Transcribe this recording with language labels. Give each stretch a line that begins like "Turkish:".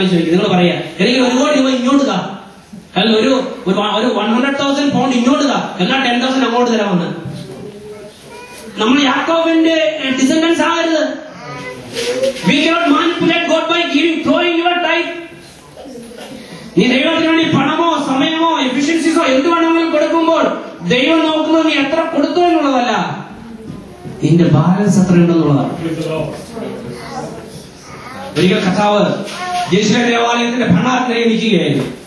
Malayalam: നിങ്ങൾ പറയാ, എനിക്ക് 1 കോടി രൂപ ഇങ്ങോട്ട് താ, അല്ല ഒരു 100,000 pounds ഇങ്ങോട്ട് താ, എന്നാൽ 10,000 അങ്ങോട്ട് തരാമെന്ന്. നമ്മൾ യാക്കോബിന്റെ ഡിസെൻഡൻസ് ആകരുത്.
English: We cannot manipulate God by giving, throwing your tithe.
Malayalam: നീ ദൈവത്തിന് വേണ്ടി പണമോ സമയമോ എഫിഷ്യൻസിസോ എന്ത് വേണമെങ്കിലും കൊടുക്കുമ്പോൾ ദൈവം നോക്കുന്നത് നീ എത്ര കൊടുത്തു എന്നുള്ളതല്ല, നിന്റെ ബാലൻസ് എത്ര ഉണ്ടെന്നുള്ളതാണ്. ഒരിക്കൽ കഥാവ് ജയശ്രീ ദേവാലയത്തിന്റെ ഭരണാധികാരി നിൽക്കുകയായിരുന്നു.